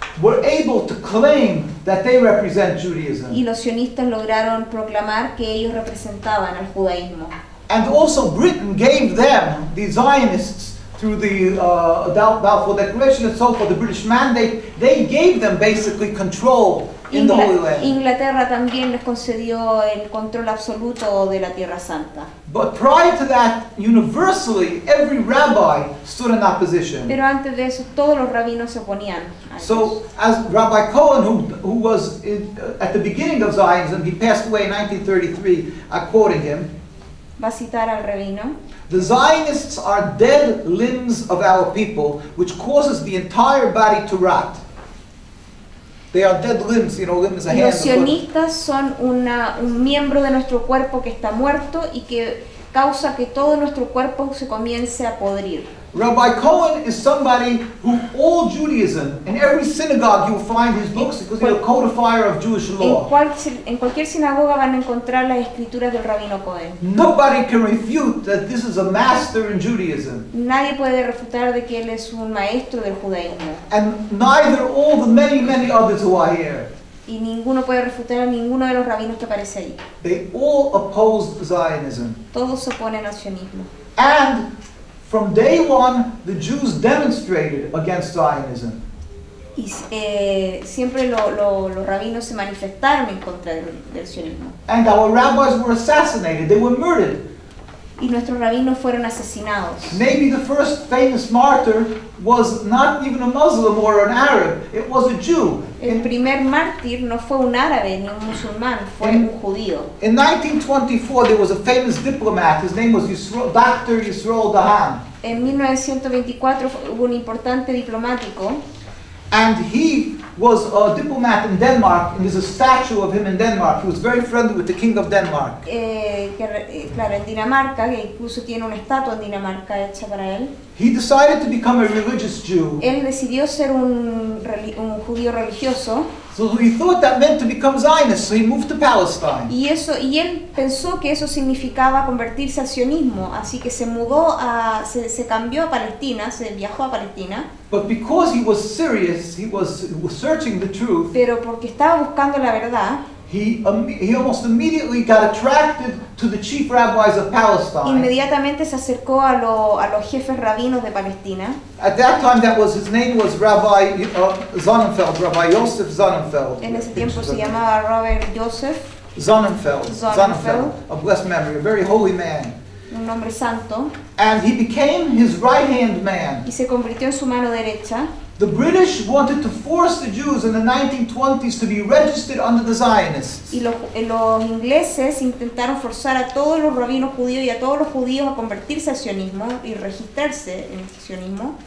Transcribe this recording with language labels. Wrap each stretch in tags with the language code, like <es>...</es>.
<en>were able to claim that they represent Judaism.</en> <es>Y los sionistas lograron proclamar que ellos representaban al judaísmo.</es> <en>And also Britain gave them, the Zionists, through the Balfour Declaration and so forth, the British Mandate, they gave them basically control in the Holy Land.</en> <es>Inglaterra también les concedió el control absoluto de la Tierra Santa.</es> <en>But prior to that, universally, every rabbi stood in opposition.</en> <es>Pero antes de eso, todos los rabinos se oponían a ellos.</es> <en>So, as Rabbi Cohen, who was in, at the beginning of Zionism, he passed away in 1933, I'm quoting him.</en> <es>Va a citar al rabino.</es> <en>The Zionists are dead limbs of our people, which causes the entire body to rot. They are dead limbs, you know, limbs are hands and foot.</en> <es>Los sionistas son un miembro de nuestro cuerpo que está muerto y que causa que todo nuestro cuerpo se comience a podrir.</es> <en>Rabbi Cohen is somebody who all Judaism, in every synagogue you'll find his books because he's a codifier of Jewish law.</en> <es>En cualquier sinagoga van a encontrar las escrituras del Rabino Cohen.</es> <en>Nobody can refute that this is a master in Judaism.</en> <es>Nadie puede refutar de que él es un maestro del judaísmo.</es> <en>And neither all the many, many others who are here.</en> <es>Y ninguno puede refutar a ninguno de los rabinos que aparece ahí.</es> <en>They all opposed Zionism.</en> <es>Todos se oponen al sionismo.</es> <en>And from day one, the Jews demonstrated against Zionism.</en> <es>Y siempre los rabinos se manifestaron en contra del sionismo.</es> <en>And our rabbis were assassinated. They were murdered.</en> <es>Y nuestros rabinos fueron asesinados.</es> <en>Maybe the first famous martyr was not even a Muslim or an Arab. It was a Jew.</en> <es>El primer mártir no fue un árabe ni un musulmán, fue un judío.</es> <en>In 1924, there was a famous diplomat. His name was Dr. Yisroel Dayan.</en> <es>En 1924 hubo un importante diplomático.</es> <en>And he was a diplomat in Denmark, and there's a statue of him in Denmark. He was very friendly with the king of Denmark.</en> <es>Claro, en Dinamarca, que incluso tiene una estatua en Dinamarca hecha para él.</es> <en>He decided to become a religious Jew.</en> <es>Él decidió ser un judío religioso.</es> <en>So he thought that meant to become Zionist, so he moved to Palestine.</en> <es>Y él pensó que eso significaba convertirse al sionismo, así que se mudó a, se cambió a Palestina, se viajó a Palestina.</es> <en>But because he was serious, he was searching the truth.</en> <es>Pero porque estaba buscando la verdad.</es> <en>He almost immediately got attracted to the chief rabbis of Palestine.</en> <es>Inmediatamente se acercó a los jefes rabinos de Palestina.</es> <en>At that time, that was his name was Rabbi Zonnenfeld, Rabbi Yosef Zonnenfeld.</en> <es>En ese tiempo se llamaba Robert Joseph</es> <en>Zonnenfeld, a blessed memory, a very holy man.</en> <es>Un hombre santo.</es> <en>And he became his right-hand man.</en> <es>Y se convirtió en su mano derecha.</es> <en>The British wanted to force the Jews in the 1920s to be registered under the Zionists.</en> <es>Y los ingleses intentaron forzar a todos los rabinos judíos y a todos los judíos a convertirse al sionismo y registrarse en el sionismo.</es>